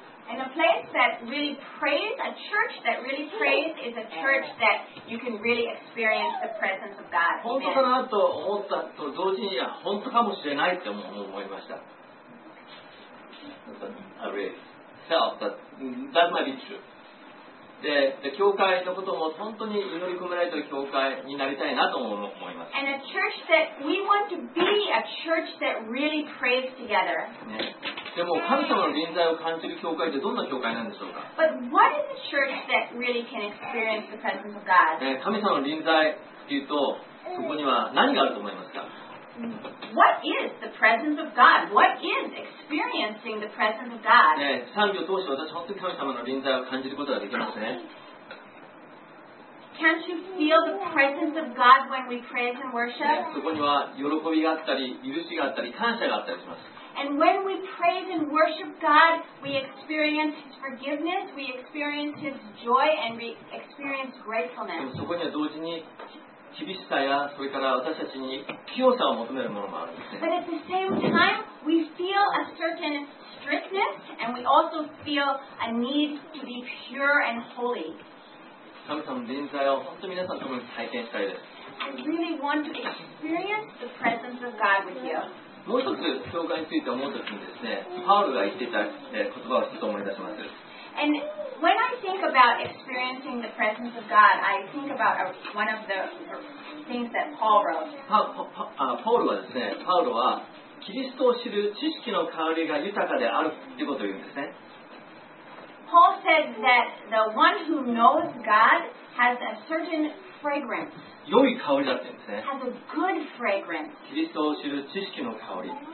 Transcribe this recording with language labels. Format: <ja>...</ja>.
<en>And a place that really prays, a church that really prays, is a church that you can really experience the presence of God.</en> <ja>本当かなと思ったと同時に、本当かもしれないって思いました。</ja> <en>I really felt that that might be true.</en> <ja>で、教会のことも本当に祈り込められている教会になりたいなと思います。</ja> <en>And a church that we want to be a church that really prays together. ね。</en> <ja>でも神様の臨在を感じる教会ってどんな教会なんでしょうか。</ja> <en>But what is a church that really can experience the presence of God?</en> <ja>神様の臨在っていうと、そこには何があると思いますか。</ja> <en>What is the presence of God? What is experiencing the presence of God?</en> <ja>賛美を通して私は本当に神様の臨在を感じることができますね。</ja> <en>Can't you feel the presence of God when we praise and worship?</en> <ja>そこには喜びがあったり、許しがあったり、感謝があったりします。</ja> <en>And when we praise and worship God, we experience His forgiveness, we experience His joy, and we experience gratefulness.</en> <ja>そこには同時に厳しさや、それから私たちに清さを求めるものもあるんですね。</ja> <en>But at the same time, we feel a certain strictness, and we also feel a need to be pure and holy.</en> <ja>神様の臨在を本当に皆さんと共に体験したいです。</ja> <en>I really want to experience the presence of God with you.</en> <ja>もう一つ教会について思うときにですね、パウルが言っていた言葉をちょっと思い出します。</ja> <en>And when I think about experiencing the presence of God, I think about one of the things that Paul wrote.</en> <ja>パウルはですね、パウルはキリストを知る知識の香りが豊かであるということを言うんですね。</ja> <en>Paul said that the one who knows God has a certain fragrance.</en> <ja>良い香りだって言うんですね。</ja> <en>Has a good fragrance.</en> <ja>キリストを知る知識の香り。</ja>